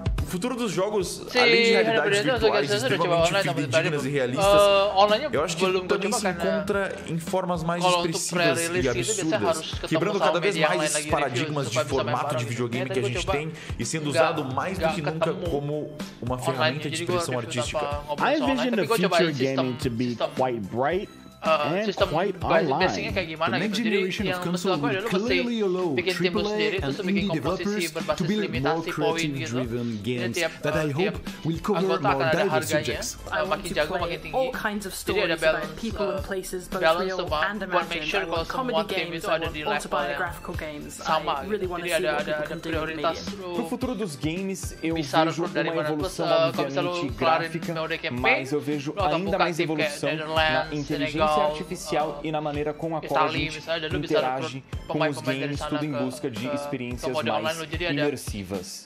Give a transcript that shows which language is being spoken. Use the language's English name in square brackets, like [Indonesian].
[Portuguese] O futuro dos jogos, sim, além de realidades virtuais extremamente fidedignas e realistas, eu acho que também se encontra em formas mais expressivas e absurdas, quebrando cada vez mais esses paradigmas de formato de videogame que a gente tem e sendo usado mais do que nunca como uma ferramenta de expressão artística. [English] I envision the future gaming to be quite bright. And quite online. The next generation of console would clearly allow AAA and indie developers to build more creative-driven games that I hope will cover more diverse subjects. I want to play all kinds of stories about people and places, both real and imagined. I want comedy games, I want autobiographical games. I really want to see what people can do with media. [Portuguese] Pro futuro dos games, eu vejo uma evolução obviamente gráfica, mas eu vejo ainda mais evolução na inteligência artificial e na maneira com a qual a gente interage com os games, tudo em busca de experiências mais imersivas.